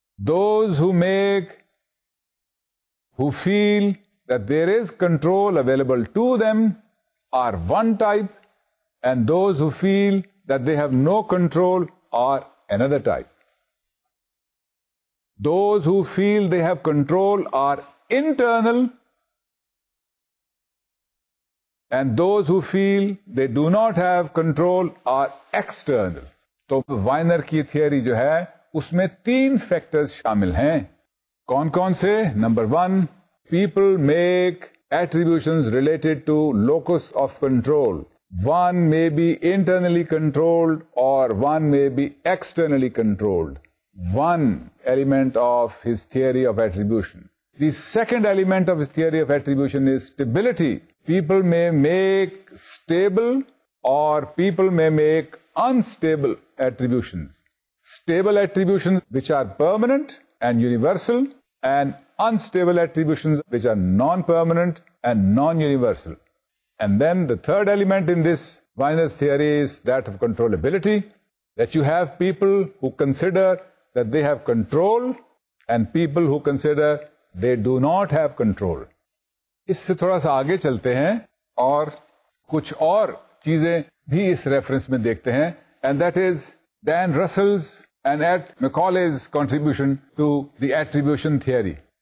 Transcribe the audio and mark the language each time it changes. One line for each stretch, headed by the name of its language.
English: Those who feel that there is control available to them are one type, and those who feel that they have no control are another type. Those who feel they have control are internal, and those who feel they do not have control are external.
Urdu: تو Viner کی theory جو ہے اس میں تین factors شامل ہیں. کون کون سے؟
English: Number one, people make attributions related to locus of control. One may be internally controlled اور one may be externally controlled. One element of his theory of attribution. The second element of his theory of attribution is stability. People may make stable or people may make unstable attributions. Stable attributions which are permanent and universal, and unstable attributions which are non-permanent and non-universal. And then the third element in this Viner's theory is that of controllability, that you have people who consider that they have control and people who consider they do not have control.
Urdu: اس سے تھوڑا سا آگے چلتے ہیں اور کچھ اور چیزیں بھی اس ریفرنس میں دیکھتے ہیں.
English: And that is Dan Russell's and Ed McAuley's contribution to the attribution theory.